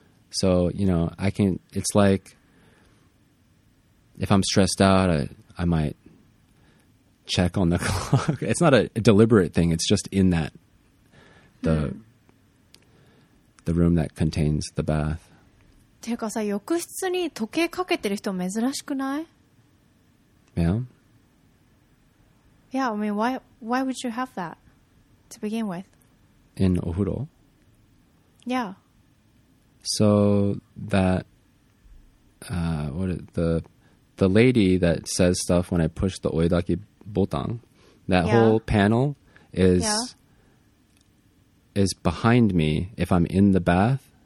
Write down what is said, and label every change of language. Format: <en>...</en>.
<en>So, you know, I can, it's like, if I'm stressed out, I might check on the clock. It's not a deliberate thing. It's just in that, the room that contains the bath.</en> <ja>っていうかさ、浴室に時計かけてる人珍しくない</ja> <en>？Yeah. Yeah, I mean, why would you have that to begin with? In お風呂？ Yeah. So that the lady that says stuff when I push the oidaki button, that whole panel is behind me if I'm in the bath.</en>